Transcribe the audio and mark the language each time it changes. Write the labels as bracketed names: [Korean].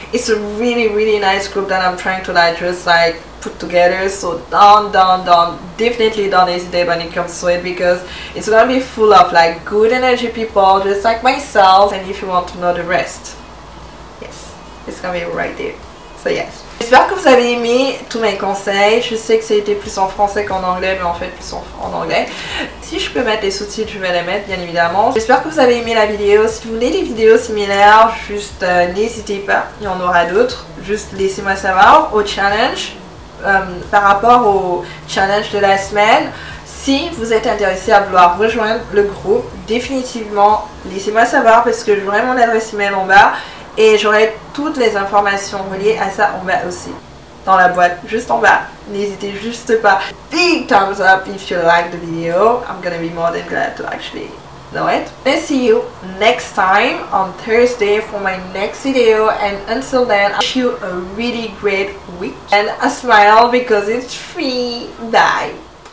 [English] It's a really, really nice group that I'm trying to like just like put together. So definitely don't hesitate when it comes to it, because it's gonna be full of like good energy people just like myself. And if you want to know the rest, yes, it's gonna be right there. So yes. [French] J'espère que vous avez aimé tous mes conseils. Je sais que c'était plus en français qu'en anglais, mais en fait plus en anglais. Si je peux mettre les sous-titres, je vais les mettre, bien évidemment. J'espère que vous avez aimé la vidéo. Si vous voulez des vidéos similaires, juste n'hésitez pas, il y en aura d'autres. Juste laissez-moi savoir au challenge, par rapport au challenge de la semaine. Si vous êtes intéressé à vouloir rejoindre le groupe, définitivement, laissez-moi savoir, parce que j'aurai mon adresse email en bas. Et j'aurai toutes les informations reliées à ça en bas aussi, dans la boîte, juste en bas. N'hésitez juste pas. [English] Big thumbs up if you like the video. I'm gonna be more than glad to actually know it. I'll see you next time on Thursday for my next video. And until then, I wish you a really great week. And a smile, because it's free. Bye.